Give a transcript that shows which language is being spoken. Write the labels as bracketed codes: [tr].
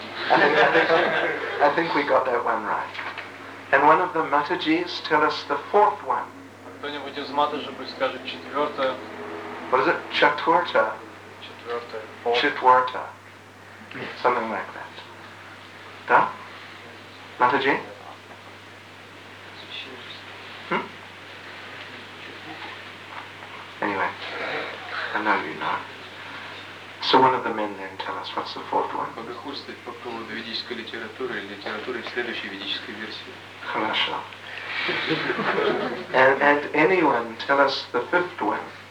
[en] I think we got that one right. And one of the Matajis tell us the fourth one. [ru] Кто-нибудь из Матаджи пусть скажет четвертое. [en] What is it? [ru] Четвертое. Четвертое. [en] Something like that. [ru] Да? [en] Матаджи? Anyway, I know you know. So one of the men then tell us, what's the fourth one? [ru] Богохульствовать по поводу ведической литературы или литературы в следующей ведической версии. Хорошо. [en] And anyone tell us the fifth one?